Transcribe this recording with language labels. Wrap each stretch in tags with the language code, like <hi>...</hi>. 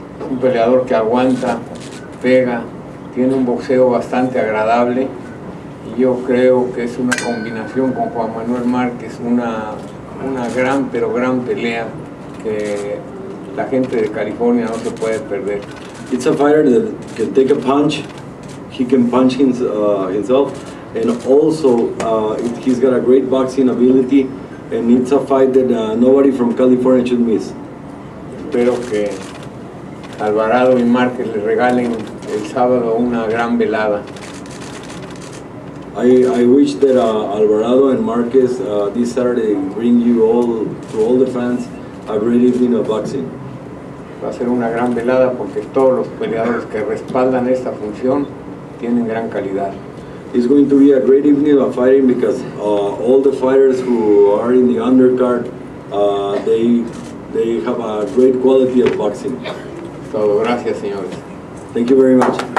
<es>Un peleador que aguanta, pega, tiene un boxeo bastante agradable. Y yo creo que es una combinación con Juan Manuel Márquez, una gran, pero gran pelea que la gente de California no se puede perder.</es> <en>It's a fighter that can take a punch, he can punch himself, and also he's got a great boxing ability, and it's a fight that nobody from California should miss.</en> <es>Espero que Alvarado y Márquez le regalen el sábado una gran velada.</es> <en>I wish that Alvarado and Marquez this Saturday bring you all, to all the fans, a great evening of boxing.</en> <es>Va a ser una gran velada porque todos los peleadores que respaldan esta función tienen gran calidad.</es> <en>It's going to be a great evening of fighting because all the fighters who are in the undercard, they have a great quality of boxing.</en> <es>Todo, gracias, señores.</es> <en>Thank you very much.</en>